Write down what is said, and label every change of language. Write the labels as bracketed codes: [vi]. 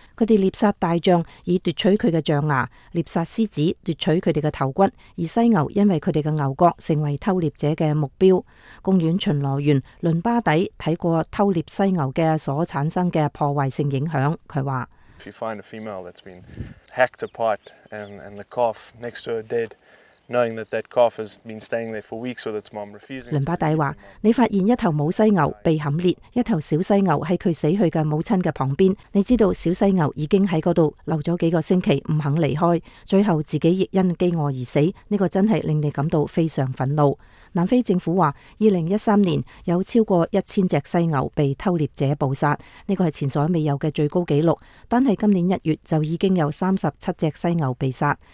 [zh] 他们猎杀大象以夺取他的象牙，猎杀狮子夺取他们的头骨，而犀牛因为他们的牛角成为偷猎者的目标。公园巡逻员伦巴底看过偷猎犀牛的所产生的破坏性影响，他说 [en] If you find a female that's been hacked apart and the calf next to her dead, knowing that that calf has been staying there for weeks with its mom refusing. [zh] 伦巴底说，你发现一头母犀牛被砍裂，一头小犀牛在他死去的母亲的旁边，你知道小犀牛已经在那里留了几个星期不肯离开，最后自己亦因饥饿而死，这个真是令你感到非常愤怒。南非政府说2013年有超过1000只犀牛被偷猎者捕杀，这个是前所未有的最高纪录，但是今年1月就已经有37只犀牛被杀。